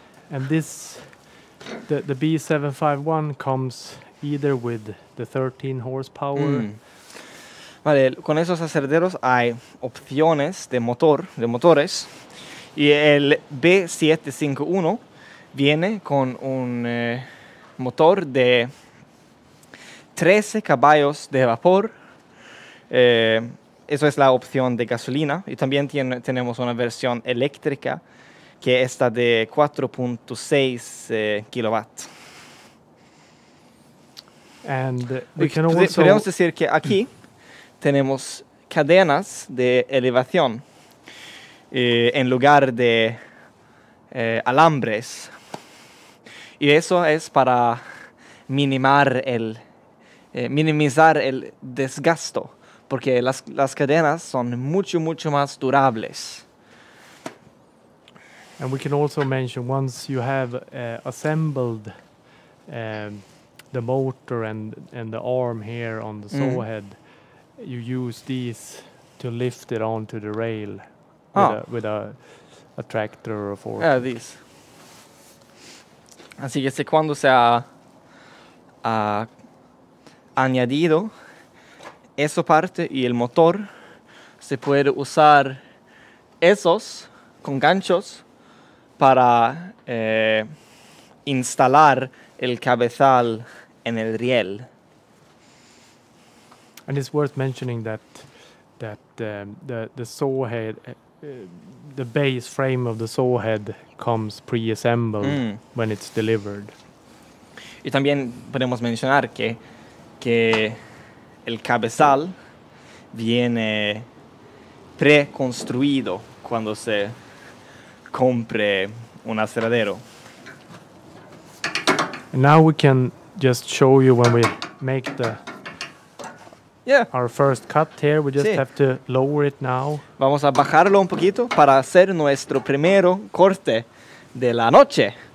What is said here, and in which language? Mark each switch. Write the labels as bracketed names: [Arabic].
[English] And this, the B751 comes either with the 13 horsepower. Mm. [Spanish] Vale, con esos acerderos hay opciones de motor, de motores, y el B751 viene con un motor de 13 caballos de vapor. Eso es la opción de gasolina. Y también tenemos una versión eléctrica que está de 4.6 kilowatt. [English] And [Spanish] podríamos decir que aquí tenemos cadenas de elevación en lugar de alambres. Y eso es para minimizar el desgasto. Porque las cadenas son mucho, mucho más durables. [English] And we can also mention, once you have assembled the motor and the arm here on the saw head, you use these to lift it onto the rail with a tractor or a fork. Yeah, these. [Spanish] Así que cuando se ha añadido esa parte y el motor, se puede usar esos con ganchos para instalar el cabezal en el riel. [English] And it's worth mentioning that the saw head, the base frame of the saw head comes pre-assembled when it's delivered. [Spanish] Y también podemos mencionar que el cabezal viene preconstruido cuando se compre un aserradero. [English] And now we can just show you when we make the our first cut here. We just have to lower it now. [Spanish] Vamos a bajarlo un poquito para hacer nuestro primero corte de la noche.